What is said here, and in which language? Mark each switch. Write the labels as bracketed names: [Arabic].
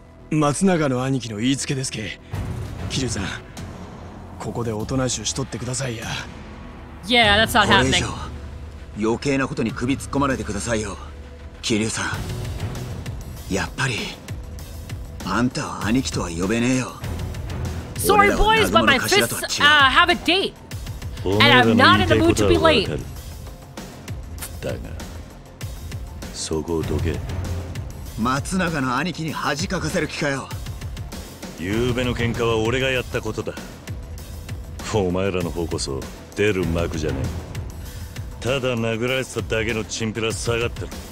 [Japanese] 松永の兄貴の言いつけですけ。キルさん、ここでおとなしゅうしとってくださいや。 [English] Yeah, that's not happening. [Japanese] これ以上、余計なことに首突っ込まれてくださいよ、キルさん。やっぱり、あんたは兄貴とは呼べねえよ。 [English] Sorry, boys, but my fists, have a date. And I'm not in the mood to be late. [Japanese] だが、そこをどけ。松永の兄貴に恥かかせる気かよ。昨夜の喧嘩は俺がやったことだ。お前らの方こそ出る幕じゃねえ。ただ殴られてただけのチンピラ下がってる。